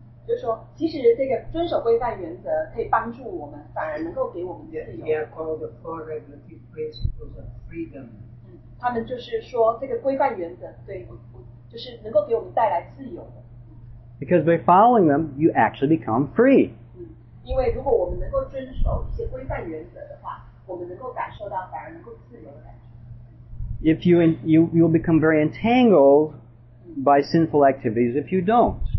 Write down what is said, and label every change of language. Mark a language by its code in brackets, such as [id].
[zh] 就是说，其实这个遵守规范原则可以帮助我们，反而能够给我们自由。 [en] They are called the four regulative principles of freedom. [zh] 他们就是说，这个规范原则对，就是能够给我们带来自由的。 [en] Because by following them, you actually become free. [zh] 因为如果我们能够遵守一些规范原则的话，我们能够感受到反而能够自由的感觉。 [en] If you you will become very entangled by sinful activities if you don't.